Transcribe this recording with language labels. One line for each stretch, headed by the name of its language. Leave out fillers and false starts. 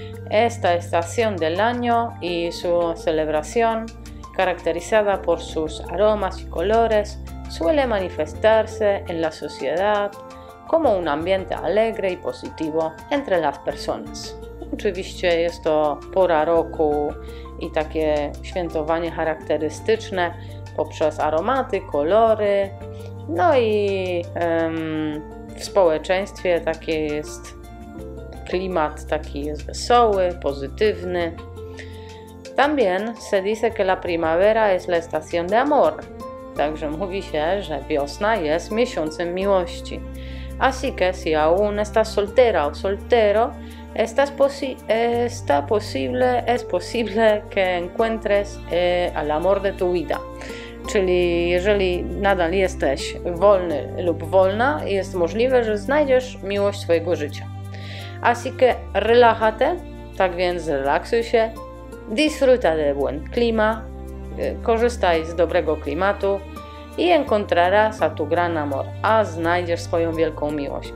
Spanish: Esta estación del año y su celebración, caracterizada por sus aromas y colores, suele manifestarse en la sociedad como un ambiente alegre y positivo entre las personas.
Polish: Oczywiście jest to pora roku i takie świętowanie charakterystyczne poprzez aromaty, kolory. No i w społeczeństwie taki jest klimat, taki jest wesoły, pozytywny.
Spanish: También se dice que la primavera es la estación de amor.
Polish: Także mówi się, że wiosna jest miesiącem miłości.
Spanish: Así que si aún estás soltera o soltero, es posible que encuentres al amor de tu vida.
Polish: Czyli jeżeli nadal jesteś wolny lub wolna, jest możliwe, że znajdziesz miłość swojego życia.
Spanish: Así que relájate,
Polish: tak więc relaksuj się,
Spanish: disfruta de buen clima,
Polish: korzystaj z dobrego klimatu
Spanish: i encontrarás a tu gran amor,
Polish: a znajdziesz swoją wielką miłość.